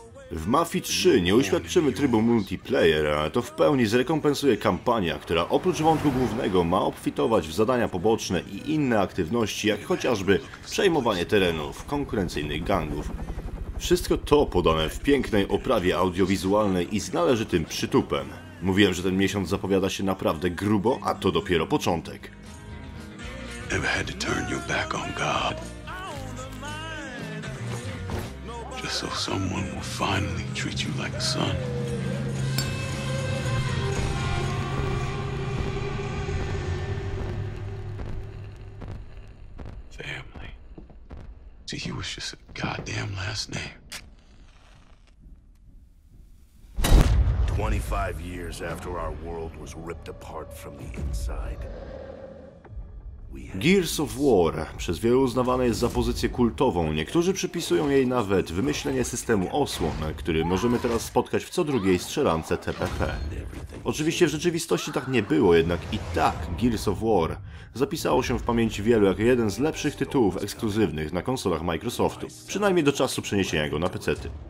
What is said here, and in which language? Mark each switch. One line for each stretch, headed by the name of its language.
Polish: W Mafii 3 nie uświadczymy trybu multiplayer, ale to w pełni zrekompensuje kampania, która oprócz wątku głównego ma obfitować w zadania poboczne i inne aktywności, jak chociażby przejmowanie terenów konkurencyjnych gangów. Wszystko to podane w pięknej oprawie audiowizualnej i z należytym przytupem. Mówiłem, że ten miesiąc zapowiada się naprawdę grubo, a to dopiero początek.
English: Never had to turn your back on God. So someone will finally treat you like a son. Family. To you was just a goddamn last name. 25 years after our world was ripped apart from the inside.
Polish: Gears of War przez wielu uznawane jest za pozycję kultową, niektórzy przypisują jej nawet wymyślenie systemu osłon, który możemy teraz spotkać w co drugiej strzelance TPP. Oczywiście w rzeczywistości tak nie było, jednak i tak Gears of War zapisało się w pamięci wielu jako jeden z lepszych tytułów ekskluzywnych na konsolach Microsoftu, przynajmniej do czasu przeniesienia go na pecety.